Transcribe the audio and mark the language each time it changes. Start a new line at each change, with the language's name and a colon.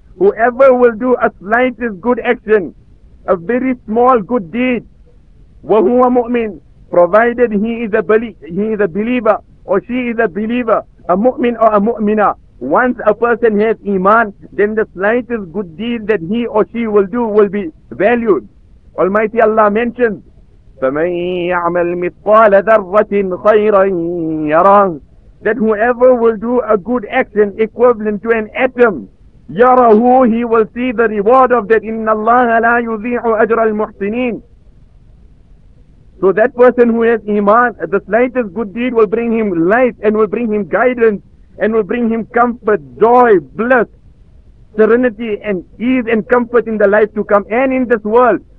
English: Whoever will do a slightest good action, a very small good deed,
Arabic: وَهُوَ مُؤْمِنٌ,
English: provided he is a believer or she is a believer, a mu'min or a mu'mina. Once a person has iman, then the slightest good deed that he or she will do will be valued. Almighty Allah mentions,
Arabic: فَمَنْ يَعْمَلْ مِثْقَالَ ذَرَّةٍ خَيْرًا يَرَهُ.
English: That whoever will do a good action equivalent to an atom, يَرَهُ, he will see the reward of that.
Arabic: إِنَّ اللَّهَ لَا يُذِيعُ أَجْرَ الْمُحْسِنِينَ.
English: So that person who has iman, the slightest good deed will bring him light and will bring him guidance and will bring him comfort, joy, bliss, serenity and ease and comfort in the life to come and in this world.